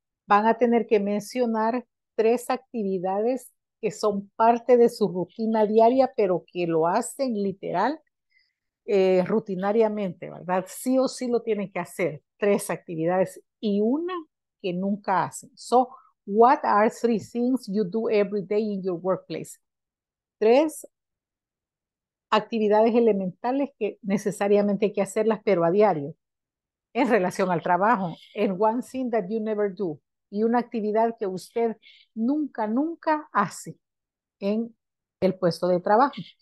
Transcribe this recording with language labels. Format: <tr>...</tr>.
<es>Van a tener que mencionar tres actividades que son parte de su rutina diaria, pero que lo hacen literal, rutinariamente, ¿verdad? Sí o sí lo tienen que hacer, tres actividades y una que nunca hacen.</es> <en>So, what are three things you do every day in your workplace?</en> <es>Tres actividades elementales que necesariamente hay que hacerlas, pero a diario, en relación al trabajo.</es> <en>And one thing that you never do.</en> <es>Y una actividad que usted nunca, nunca hace en el puesto de trabajo.</es>